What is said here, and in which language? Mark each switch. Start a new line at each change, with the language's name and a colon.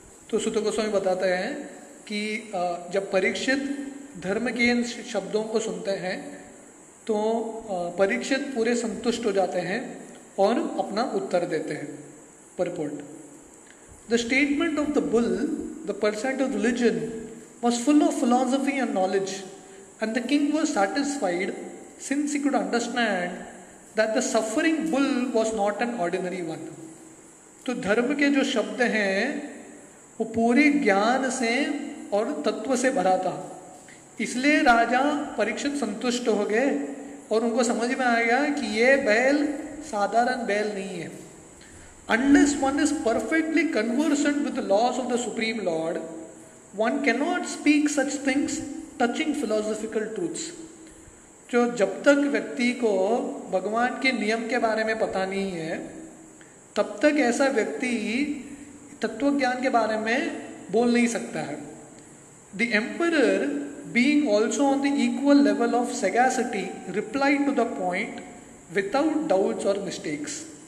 Hindi: तो सुत गोस्वामी बताते हैं कि जब परीक्षित धर्म के इन शब्दों को सुनते हैं तो परीक्षित पूरे संतुष्ट हो जाते हैं और अपना उत्तर देते हैं.
English: Purport. The statement of the bull, the person of religion, was full of philosophy and knowledge and the king was satisfied since he could understand that the suffering bull was not an ordinary one.
Hindi: तो धर्म के जो शब्द हैं वो पूरे ज्ञान से और तत्व से भरा था, इसलिए राजा परीक्षित संतुष्ट हो गए और उनको समझ में आ गया कि ये बैल साधारण बैल नहीं है.
English: Unless one is perfectly conversant with the laws of the supreme lord, one cannot speak such things touching philosophical truths.
Hindi: जो जब तक व्यक्ति को भगवान के नियम के बारे में पता नहीं है तब तक ऐसा व्यक्ति तत्व ज्ञान के बारे में बोल नहीं सकता है.
English: The emperor being also on the equal level of sagacity replied to the point without doubts और mistakes.